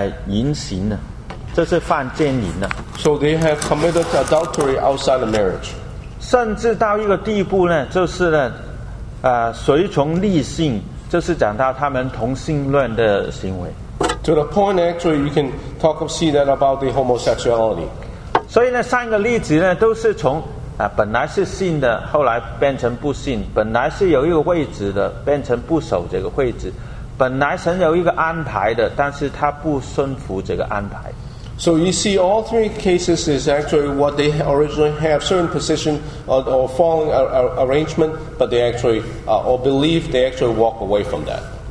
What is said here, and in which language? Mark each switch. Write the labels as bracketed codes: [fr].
[zh] 他们在婚姻以外的，圣经说他意味淫行了，这是犯奸淫了。 [en] So they have committed adultery outside of marriage. [zh] 甚至到一个地步呢，就是呢，随从异性，就是讲到他们同性恋的行为。 [en] To the point, actually, you can talk of see that about the homosexuality. [zh] 所以呢，三个例子呢，都是从本来是信的，后来变成不信；本来是有一个位置的，变成不守这个位置；本来神有一个安排的，但是他不顺服这个安排。 [en] So you see, all three cases is actually what they originally have certain position or following arrangement, but they actually or believe they actually walk away from that.